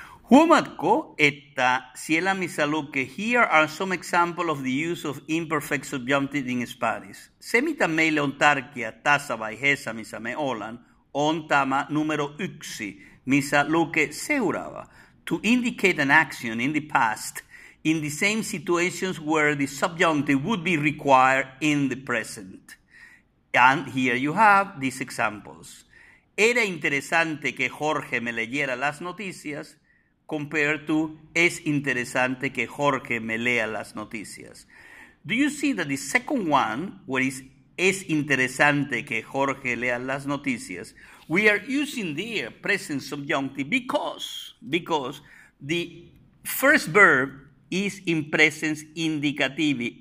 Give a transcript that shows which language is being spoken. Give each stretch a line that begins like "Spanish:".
Finnish: Huomatko, että siellä missä lukee
English: here are some examples of the use of imperfect subjunctive in Spanish.
Finnish: Se mitä meille on tärkeä tässä vaiheessa, missä me ollaan, on tämä numero 1, missä lukee seuraava.
English: To indicate an action in the past in the same situations where the subjunctive would be required in the present. And here you have these examples.
Spanish: Era interesante que Jorge me leyera las noticias.
English: Compared to,
Spanish: es interesante que Jorge me lea las noticias.
English: Do you see that the second one, where is
Spanish: es interesante que Jorge lea las noticias,
English: we are using the present subjunctive because the first verb is in present indicative.